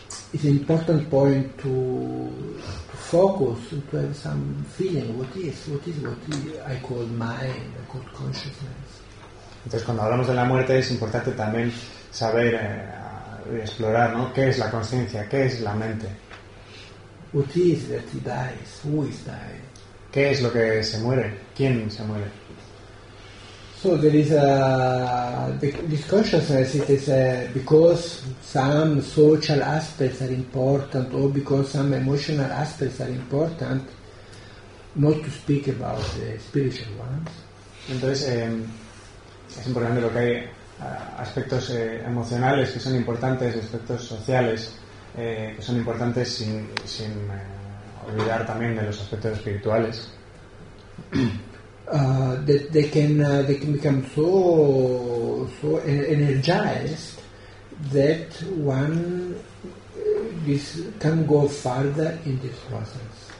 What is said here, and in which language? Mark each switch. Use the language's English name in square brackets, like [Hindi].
[English] It's an important point to focus and to have some feeling. What is I call mind, I call consciousness. [Spanish] Entonces, cuando hablamos de la muerte, es importante también saber explorar, ¿no? ¿Qué es la conciencia? ¿Qué es la mente? [English] What is that he dies? Who is dying? [Spanish] ¿Qué es lo que se muere? ¿Quién se muere? [English] So there is this consciousness. It is because some social aspects are important, or because some emotional aspects are important, not to speak about the spiritual ones. [Spanish] Entonces, es importante lo que hay aspectos emocionales que son importantes, aspectos sociales que son importantes, sin olvidar también de los aspectos espirituales. [English] they can become so energized that one this can go further in this process.